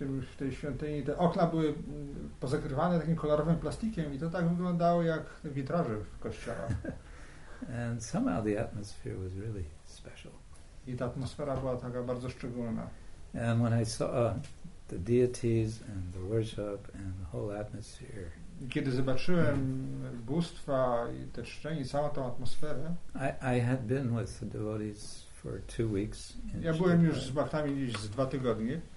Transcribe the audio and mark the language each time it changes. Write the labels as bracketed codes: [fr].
[pl] W tej świątyni te okna były pozakrywane takim kolorowym plastikiem i to tak wyglądało jak witraże w kościele. [en] And somehow the atmosphere was really special. [pl] I ta atmosfera była taka bardzo szczególna. [en] And when I saw the deities and the worship and the whole atmosphere, [pl] kiedy zobaczyłem bóstwa i te czczenie, całą tą atmosferę, [en] I had been with the devotees for 2 weeks. [pl] Ja byłem już z bhaktami gdzieś z 2 tygodnie.